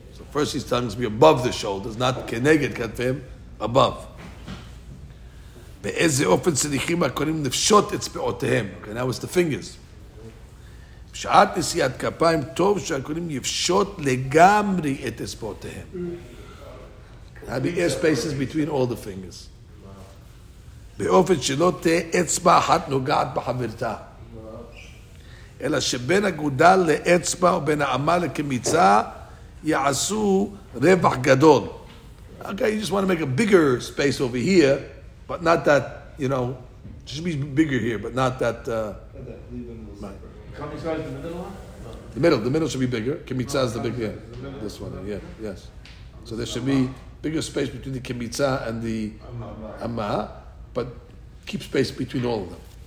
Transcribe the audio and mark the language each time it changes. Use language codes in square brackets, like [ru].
[en] So first he's telling us to be above the shoulders, not [he] כנגד כתפיהם, [en] above. [he] באיזה אופן צריכים הכהנים לפשוט אצבעותיהם? [en] Okay, now it's the fingers. [he] בשעת נשיאת כפיים, טוב שהכהנים יפשוט לגמרי את אצבעותיהם. [en] There'll be air spaces between all the fingers. [he] באופן שלא תהיה אצבע אחת נוגעת בחברתה. אלא שבין הגודל לאצבע ובין העמה לקמיצה יעשו רווח גדול. [en] Okay, you just want to make a bigger space over here, but not that, you know, just be bigger here, but not that... Kamitza is the middle one? The middle should be bigger. Kamitza is the bigger, yeah. This one, yeah, yes. So there should be bigger space between the kemitza and the amma, but keep space between all of them.